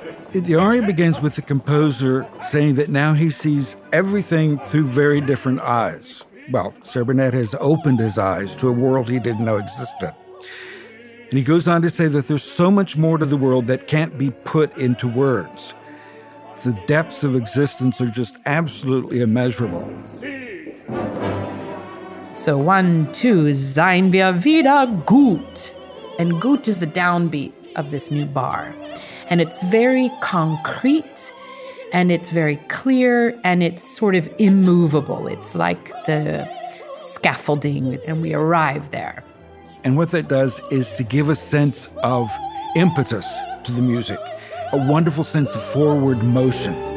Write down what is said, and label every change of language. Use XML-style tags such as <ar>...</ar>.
<en>The aria begins with the composer saying that now he sees everything through very different eyes. Well, Serbinet has opened his eyes to a world he didn't know existed. And he goes on to say that there's so much more to the world that can't be put into words. The depths of existence are just absolutely immeasurable. So one, two,</en> <de>sein wir wieder gut.</de> <en>And gut is the downbeat of this new bar. And it's very concrete, and it's very clear, and it's sort of immovable. It's like the scaffolding, and we arrive there. And what that does is to give a sense of impetus to the music, a wonderful sense of forward motion.</en>